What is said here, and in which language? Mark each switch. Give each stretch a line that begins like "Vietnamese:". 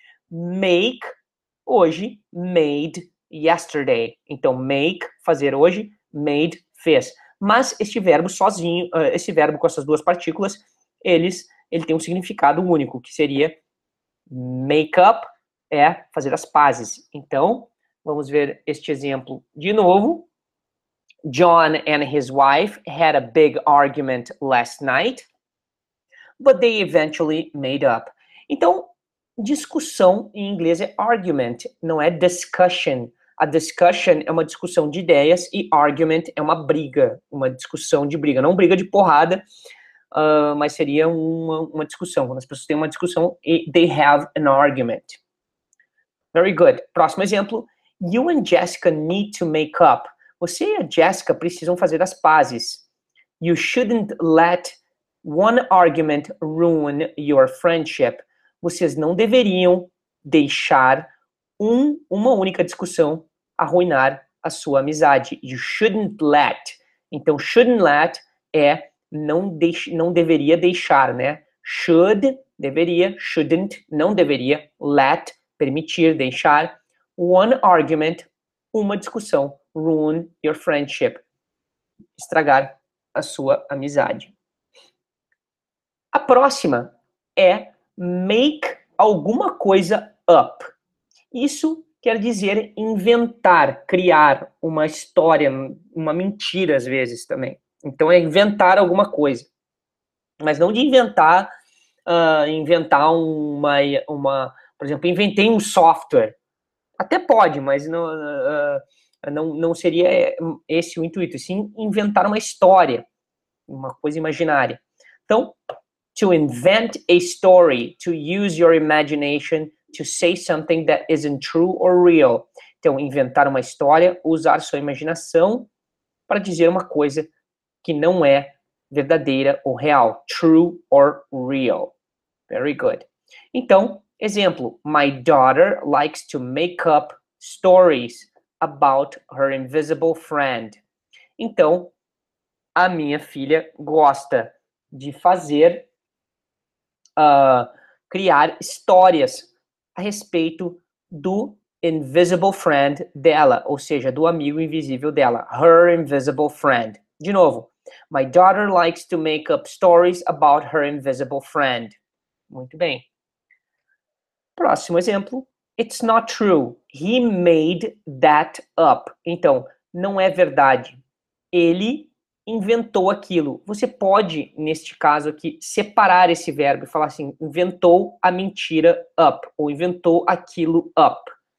English: Make, hoje. Made, yesterday.
Portuguese: Então make, fazer hoje. Made, fez. Mas este verbo sozinho, esse verbo com essas duas partículas, ele tem um significado único, que seria make up, é fazer as pazes. Então, vamos ver este exemplo de novo.
English: John and his wife had a big argument last night, but they eventually made up.
Portuguese: Então, discussão em inglês é argument, não é discussion. A discussion é uma discussão de ideias e argument é uma briga, uma discussão de briga. Não briga de porrada, mas seria uma discussão. Quando as pessoas têm uma discussão,
English: they have an argument. Very good.
Portuguese: Próximo exemplo.
English: You and Jessica need to make up.
Portuguese: Você e a Jessica precisam fazer as pazes.
English: You shouldn't let one argument ruin your friendship.
Portuguese: Vocês não deveriam deixar uma única discussão arruinar a sua amizade.
English: You shouldn't let.
Portuguese: Então, shouldn't let é não deveria deixar, né? Should, deveria. Shouldn't, não deveria. Let, permitir, deixar. One argument, uma discussão. Ruin your friendship. Estragar a sua amizade. A próxima é make alguma coisa up. Isso quer dizer inventar, criar uma história, uma mentira às vezes também. Então é inventar alguma coisa. Mas não de inventar, inventar uma... Por exemplo, inventei um software. Até pode, mas não... Não seria esse o intuito, sim inventar uma história, uma coisa imaginária.
English: Então, to invent a story, to use your imagination to say something that isn't true or real.
Portuguese: Então, inventar uma história, usar sua imaginação para dizer uma coisa que não é verdadeira ou real.
English: True or real. Very good.
Portuguese: Então, exemplo.
English: My daughter likes to make up stories about her invisible friend.
Portuguese: Então, a minha filha gosta de fazer, criar histórias a respeito do invisible friend dela, ou seja, do amigo invisível dela,
English: her invisible friend.
Portuguese: De novo,
English: my daughter likes to make up stories about her invisible friend.
Portuguese: Muito bem. Próximo exemplo,
English: it's not true, he made that up.
Portuguese: Então, não é verdade, ele inventou aquilo. Você pode, neste caso aqui, separar esse verbo e falar assim, inventou a mentira up, ou inventou aquilo up.